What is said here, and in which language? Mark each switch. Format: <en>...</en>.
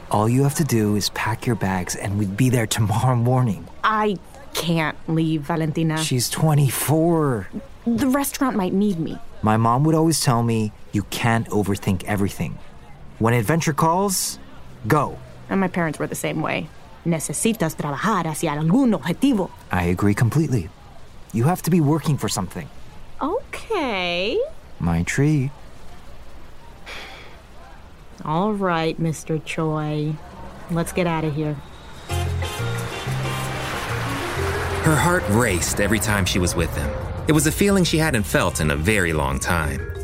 <en>All you have to do is pack your bags and we'd be there tomorrow morning. I can't leave Valentina. She's 24. The restaurant might need me. My mom would always tell me, you can't overthink everything. When adventure calls, go. And my parents were the same way.</en> <es>Necesitas trabajar hacia algún objetivo.</es> <en>I agree completely. You have to be working for something. Okay. My tree. All right, Mr. Choi. Let's get out of here. Her heart raced every time she was with him. It was a feeling she hadn't felt in a very long time.</en>